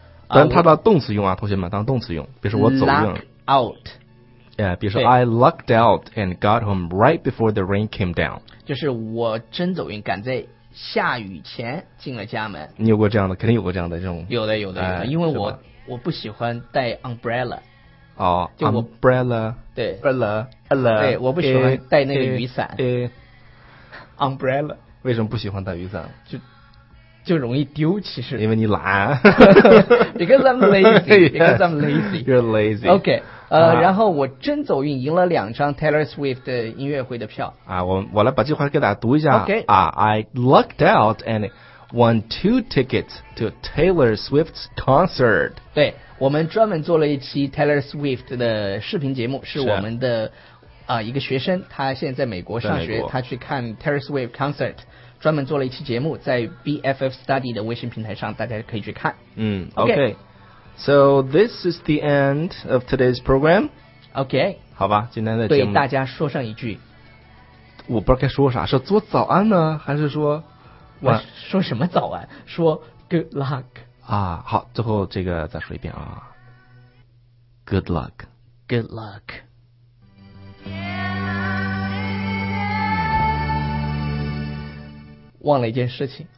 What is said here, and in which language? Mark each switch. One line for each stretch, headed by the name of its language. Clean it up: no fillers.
Chinese: 但它当动词用啊，同学们，当动词用。比如说我走运。
English: Luck out. Yeah,
Chinese: 比如说
English: I lucked out and got home right before the rain came down.
Chinese: 就是我真走运，赶在下雨前进了家门。你有过这样的，肯定有过这样的这种。有的，有的，有的，因为我不喜欢带 umbrella。哦、oh, ，就我
English: umbrella
Chinese: 对
English: umbrella
Chinese: 对，我不喜欢带那个雨伞。
English: umbrella
Chinese: 为什么不喜欢带雨伞？就容易丢，其实因为你懒。
English: Because I'm lazy. Because I'm lazy. You're lazy.
Chinese: OK， 然后我真走运，赢了2张 Taylor Swift 的音乐会的票。啊，我来把这话给大家读一下。
English: OK，啊、，I lucked out and won 2 tickets to Taylor Swift's concert.
Chinese: 对。我们专门做了一期 Taylor Swift 的视频节目，是我们的一个学生，他现在在美国上学，他去看 Taylor Swift concert， 专门做了一期节目，在 BFF Study 的微信平台上，大家可以去看。
English: Okay. So this is the end of today's program. Okay.
Chinese: 好吧，今天的节目。对大家说上一句。我不知道该说啥，是做早安呢，还是说？我说什么早安？说
English: Good luck。
Chinese: 啊，好，最后这个再说一遍啊 ，
English: Good luck, good luck. Yeah.
Chinese: 忘了一件事情